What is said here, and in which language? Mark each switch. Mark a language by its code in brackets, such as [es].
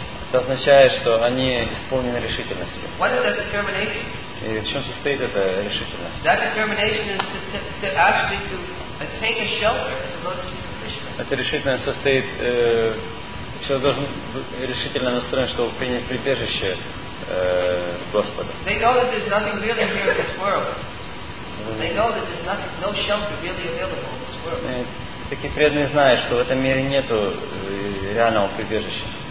[ru] Это означает, что они исполнены решительностью. [en] What is that determination? [ru] И в чем состоит эта решительность? [en] That determination is to take a shelter in the lotus feet of Krishna. [ru] Эта решительность состоит, человек должен решительно настроен, чтобы принять прибежище Господа. [en] They know that there's nothing really here in this world. They know that there's no shelter really available in this world. [ru] Такие преданные знают, что в этом мире нету реального прибежища.